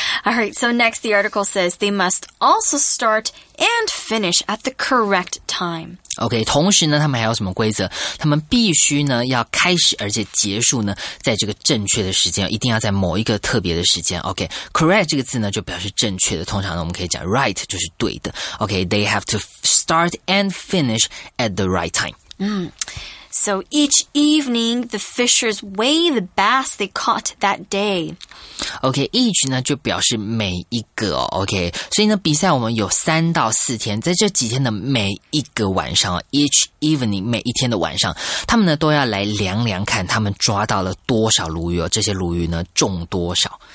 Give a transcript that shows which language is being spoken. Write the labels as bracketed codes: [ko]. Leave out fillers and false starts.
[en] All right, so next the article says they must also start and finish at the correct time. [zh] Okay, 同时呢他们还有什么规则，他们必须呢要开始而且结束呢在这个正确的时间，一定要在某一个特别的时间。 Okay, correct 这个字呢就表示正确的，通常呢我们可以讲 right 就是对的。 [en] Okay, they have to start and finish at the right time. So each evening, the fishers weigh the bass they caught that day. [zh] Okay, each 呢就表示每一个、哦、Okay, 所以呢比赛我们有3到4天，在这几天的每一个晚上 [en] each evening [zh] 每一天的晚上，他们呢都要来量量看他们抓到了多少鲈鱼、哦、这些鲈鱼呢重多少。